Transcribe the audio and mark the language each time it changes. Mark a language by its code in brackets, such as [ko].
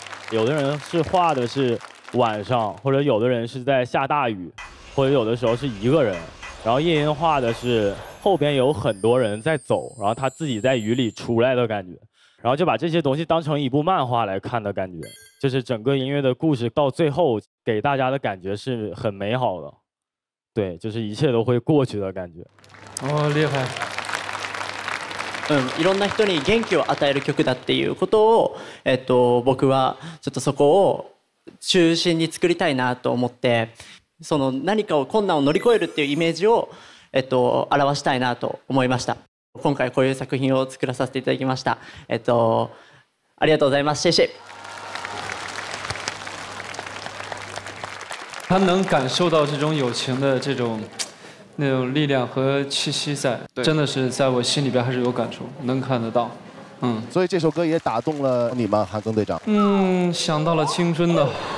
[zh] 有的人是画的是晚上，或者有的人是在下大雨，或者有的时候是一个人，然后夜莺画的是后边有很多人在走，然后他自己在雨里出来的感觉，然后就把这些东西当成一部漫画来看的感觉，就是整个音乐的故事到最后给大家的感觉是很美好的，对，就是一切都会过去的感觉。哦，厉害。 [ja] いろんな人に元気を与える曲だっていうことを、僕はちょっとそこを中心に作りたいなと思って、その何かを困難を乗り越えるっていうイメージを表したいなと思いました。今回こういう作品を作らさせていただきました。ありがとうございます。 [zh] 谢谢。他能感受到这种友情的这种那种力量和气息在，真的是在我心里边还是有感触，能看得到。所以这首歌也打动了你吗，韩庚队长？想到了青春的